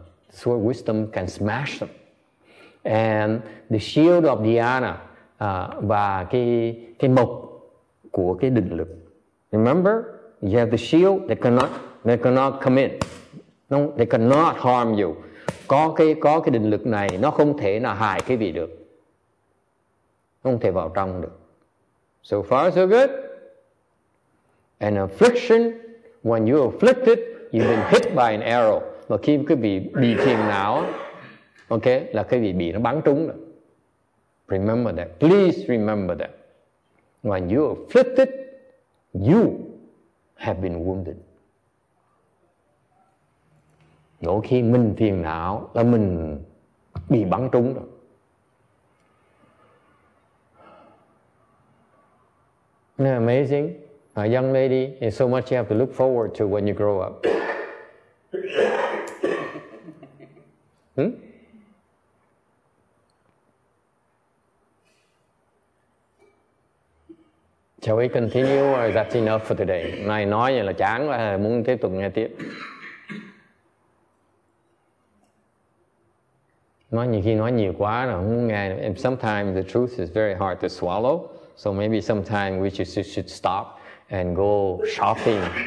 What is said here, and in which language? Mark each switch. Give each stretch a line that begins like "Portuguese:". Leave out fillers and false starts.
English: Sword wisdom can smash them. And the shield of Dhyana,
Vietnamese: và cái mộc của cái định lực.
English: Remember, you have the shield. They cannot come in. No, they cannot harm you.
Vietnamese: Có cái định lực này, nó không thể nào hại cái vị được. Không thể vào trong được.
English: So far so good. An affliction, when you afflicted, you've been hit by an arrow.
Vietnamese: Và khi quý vị bị phiền não, okay, là quý vị bị nó bắn trúng rồi.
English: Remember that. Please remember that. When you afflicted, you have been wounded.
Vietnamese: Mỗi khi mình phiền não là mình bị bắn trúng rồi.
English: Yeah, amazing. A young lady, is so much you have to look forward to when you grow up. Shall we continue or is that enough for today?
Vietnamese: Này nói vậy là chán quá, muốn tiếp tục nghe tiếp. Nói nhiều khi nói nhiều quá là không nghe.
English: And sometimes the truth is very hard to swallow. So maybe sometime we should stop and go shopping.